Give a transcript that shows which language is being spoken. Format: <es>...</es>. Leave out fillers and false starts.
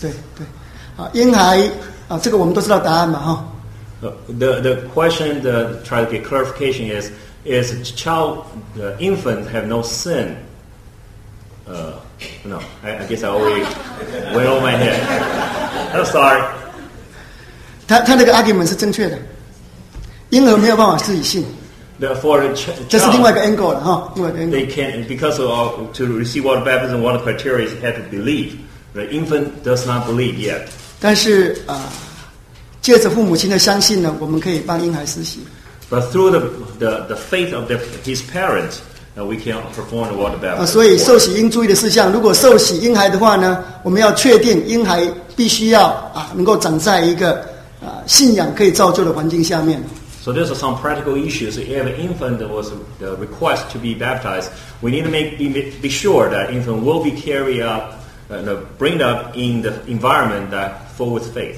<zh>对对，婴孩这个我们都知道答案嘛哈。</zh> <en>The question the try to get clarification is child the infant have no sin. No, I guess I already went over my head. I'm sorry.</en> <zh>他那个 argument 是正确的，婴儿没有办法自己信。</zh> <en>Therefore,</en> <zh>这是另外一个 angle 了哈，另外一个 angle.</zh> <en>They can because of to receive water baptism, one of the criteria is have to believe. The infant does not believe yet.</en> <zh>但是借着父母亲的相信呢，我们可以帮婴孩施洗。</zh> <en>But through the faith of his parents. Now we can perform the water baptism.</en> <zh>所以受洗应注意的事项，如果受洗婴孩的话呢，我们要确定婴孩必须要能够长在一个信仰可以造就的环境下面。</zh> <en>So there's some practical issues. If an infant was request to be baptized, we need to be sure that infant will be carried up, bring up in the environment that full with faith.</en>